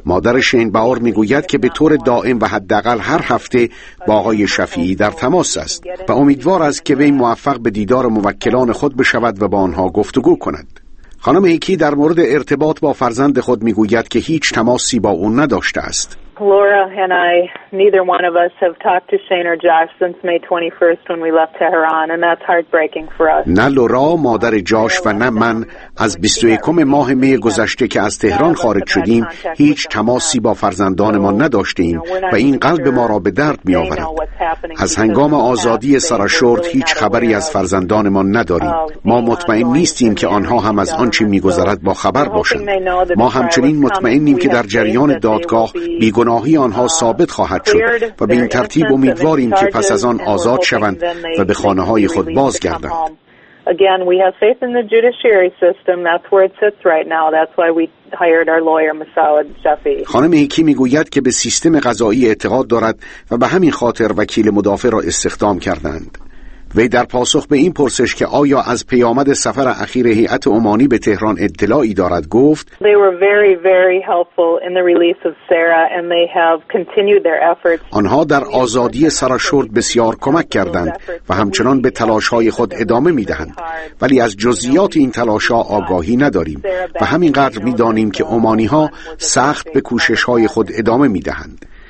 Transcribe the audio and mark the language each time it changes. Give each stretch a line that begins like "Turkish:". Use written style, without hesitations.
Persian: مادر شین باور میگوید که به طور دائم و حداقل هر هفته با آقای شفیعی در تماس است و امیدوار است که وی موفق به دیدار موکلان خود بشود و با آنها گفتگو کند. خانم هیکی در مورد ارتباط با فرزند خود میگوید که هیچ تماسی با او نداشته است.
English: Laura and I, neither one of us have talked to Shane or Josh since May 21st when we left Tehran, and that's heartbreaking for us.
Persian: نه لورا، مادر جاش، و نه من از 21 ماه می گذشته که از تهران خارج شدیم هیچ تماسی با فرزندانمان نداشتیم و این قلب ما را به درد می آورد. از هنگام آزادی سارا شورت هیچ خبری از فرزندانمان نداریم. ما مطمئن نیستیم که آنها هم از آنچه می گذرد با خبر باشند. ما همچنین مطمئنیم که در جریان دادگاه بیگناهی آنها ثابت خواهد شد و به این ترتیب امیدواریم که پس از آن آزاد شوند و به خانه های خود بازگردند.
English: Again, we have faith in the judiciary system. That's where it sits right now. That's why we hired our lawyer, Masoud Shafi.
Persian: خانم هیکی میگوید که به سیستم قضایی اعتقاد دارد و به همین خاطر وکیل مدافع را استخدام کردند. وی در پاسخ به این پرسش که آیا از پیامد سفر اخیر هیئت عمانی به تهران اطلاعی دارد گفت:
English: They were very, very helpful in the release of Sarah, and they have continued their efforts.
Persian: آنها در آزادی سارا شورت بسیار کمک کردند و همچنان به تلاش‌های خود ادامه می‌دهند. ولی از جزئیات این تلاش‌ها آگاهی نداریم و همینقدر می‌دانیم که عمانی‌ها سخت به کوشش‌های خود ادامه می‌دهند.